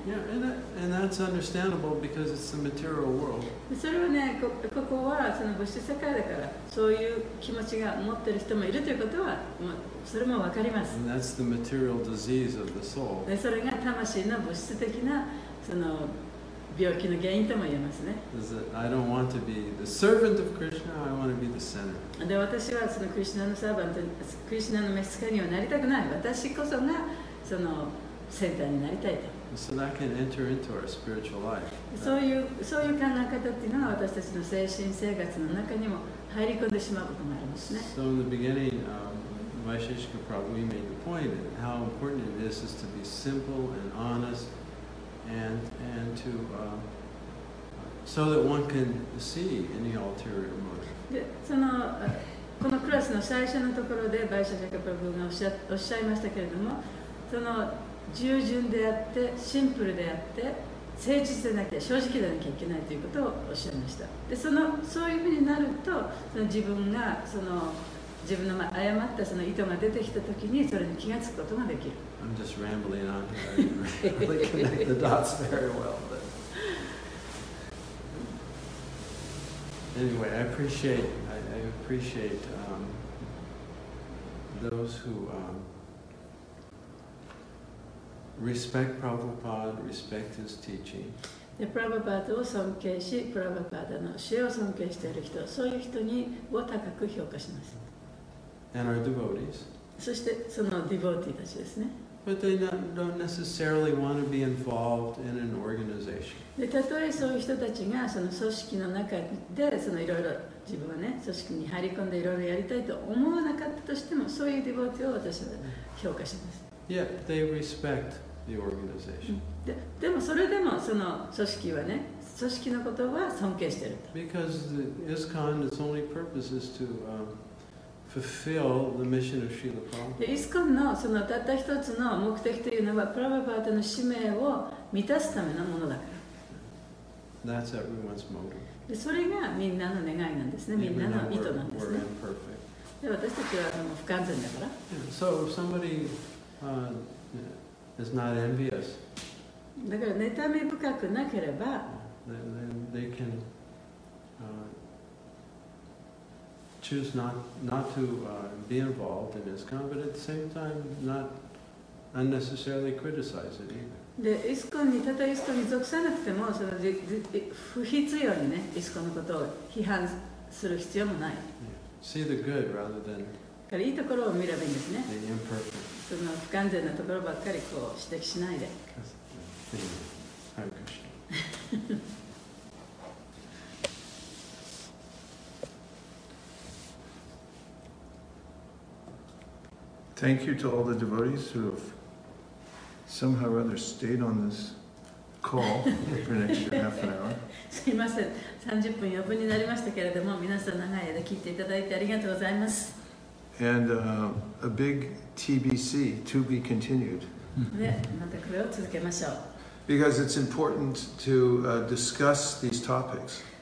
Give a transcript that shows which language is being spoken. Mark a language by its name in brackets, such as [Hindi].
[English] yeah, and that's understandable because it's the material world. [Japanese] それはね ここはその物質世界だからそういう気持ちが持ってる人もいるということはもうそれも分かります。 [English] And that's the material disease of the soul. [Japanese] でそれが魂の物質的なその病気の原因とも言えますね。 [English] I don't want to be the servant of Krishna, I want to be the center. [Japanese] で私はそのクリシナのサーバント、クリシナの召使いにはなりたくない。私こそがそのセンターになりたいと。 [English] So that can enter into our spiritual life. [Japanese] そういう考え方っていうのは私たちの精神生活の中にも入り込んでしまうこともありますね。 [English] So in the beginning, Vaisheshika Prabhu, we made the point that how important it is to be simple and honest and to, so that one can see any ulterior motive. [Japanese] このクラスの最初のところで Vaisheshika Prabhu がおっしゃいましたけれども、その従順であって、シンプルであって、誠実でなきゃ、正直でなきゃいけないということをおっしゃいました。で、そういうふうになると、その自分がその自分の誤ったその意図が出てきたときにそれに気がつくことができる。 [English] I'm just rambling on. I didn't really connect the dots very well. But anyway, I appreciate those who respect Prabhupada, respect his teaching. [Japanese] で、プラヴァパーダを尊敬し、プラヴァパーダの教えを尊敬している人、そういう人にを高く評価します。 [English] And our devotees. [Japanese] そしてそのディボーティーたちですね。 [English] But they don't necessarily want to be involved in an organization. [Japanese] で、たとえそういう人たちがその組織の中でそのいろいろ自分はね組織に入り込んでいろいろやりたいと思わなかったとしても、そういうディボーティーを私は評価します。 [English] Yeah, they respect the organization. [Japanese] でもそれでもその組織はね組織のことは尊敬していると。 [English] Because the ISKCON its only purpose is to fulfill the mission of Srila Prabhupada. [Japanese] ISKCON のそのたった一つの目的というのはプラヴァパーダの使命を満たすためのものだから。 [English] That's everyone's motive. [Japanese] でそれがみんなの願いなんですね。みんなの意図なんですね。 [English] We're imperfect. [Japanese] 私たちはもう不完全だから。 [English] Yeah. So if somebody is not envious. [Japanese] だから妬み深くなければ。 [English] Then they can. Choose not to be involved in ISKCON, but at the same time not unnecessarily criticize it either. [Japanese] で、ISKCONにたとえISKCONに属さなくても、その不必要にね、ISKCONのことを批判する必要もない。 [English] Yeah. See the good rather than. [Japanese] だからいいところを見ればいいんですね。 [English] The imperfect. [Japanese] その不完全なところばっかりこう指摘しないで。はい、Krishna. [English] Thank you to all the devotees who have somehow or other stayed on this call for an extra half an hour. [Japanese] すいません、30分余分になりましたけれども、皆さん長い間聞いていただいてありがとうございます。 [English] And a big TBC, to be continued. [Japanese] またこれを続けましょう。 [English] Because it's important to discuss these topics.